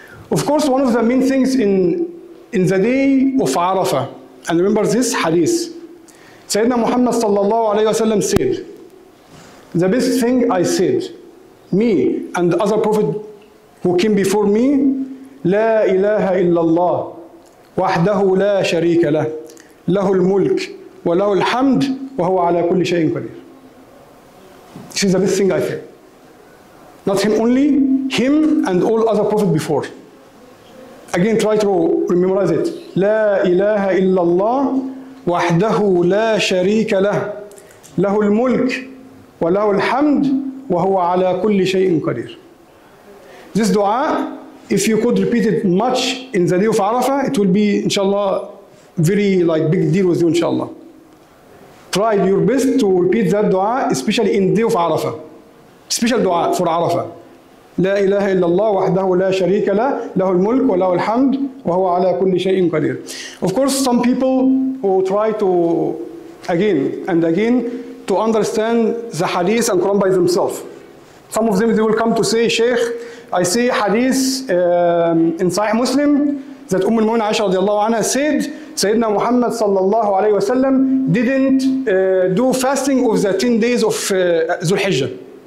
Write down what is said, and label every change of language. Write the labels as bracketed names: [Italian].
[English] Of course, one of the main things in the day of Arafah, and remember this hadith, Sayyidina Muhammad sallallahu alayhi wa sallam said, the best thing I said, me and the other prophet who came before me, [Arabic] لا إله إلا الله وحده لا شريك له له الملك وله الحمد وهو على كل شيء قدير. [English] This is the best thing I said. Not him only, him and all other prophets before. again try to memorize it. [Arabic] لا إله إلا الله وحده لا شريك له، له الملك وله الحمد وهو على كل شيء قدير. [English] This dua, if you could repeat it much in the day of Arafah, it will be inshallah very like big deal with you inshallah. Try your best to repeat that dua, especially in day of Arafah. Special dua for Arafah. [Arabic] لا إله إلا الله وحده لا شريك له، له الملك وله الحمد وهو على كل شيء قدير. [English] Of course, some people who try to again and again to understand the hadith and Quran by themselves. Some of them they will come to say, Sheikh, I see hadith in Sahih Muslim that Umm al-Mu'min Aisha [Arabic] رضي الله عنها [English] said [Arabic] سيدنا محمد صلى الله عليه وسلم [English] didn't do fasting of the 10 days of Zulhijjah.